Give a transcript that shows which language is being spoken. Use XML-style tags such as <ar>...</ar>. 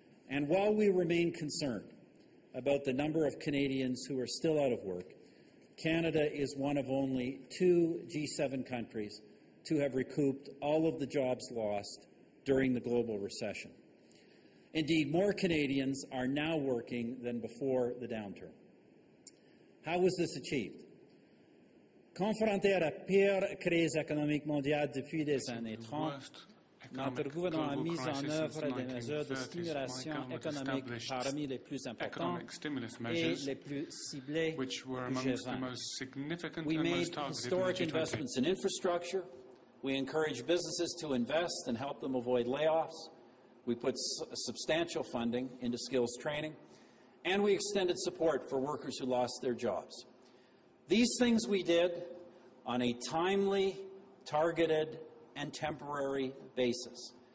<en>And while we remain concerned about the number of Canadians who are still out of work, Canada is one of only two G7 countries to have recouped all of the jobs lost during the global recession. Indeed, more Canadians are now working than before the downturn. How was this achieved?</en> <fr>Confronté à la pire crise économique mondiale depuis des années 30, notre gouvernement a mis en œuvre des mesures de stimulation économique parmi les plus importantes et les plus ciblées du G20.</fr> <en>We made historic investments in infrastructure. We encouraged businesses to invest and help them avoid layoffs. We put substantial funding into skills training. And we extended support for workers who lost their jobs. These things we did on a timely, targeted, and temporary basis.</en>